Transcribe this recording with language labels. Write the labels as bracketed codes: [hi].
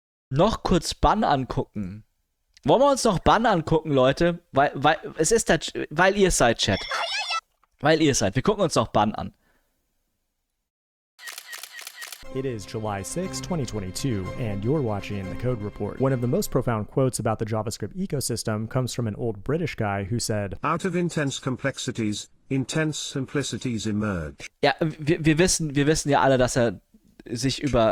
[de] Noch kurz Bann angucken. Wollen wir uns noch Bann angucken, Leute? Weil es ist der, weil ihr seid Chat. Weil ihr seid. Wir gucken uns doch Bann an. [en] It is July 6, 2022, and you're watching The Code Report. One of the most profound quotes about the JavaScript ecosystem comes from an old British guy who said, out of intense complexities, intense simplicities emerge. [de] Ja, wir wissen ja alle, dass er sich über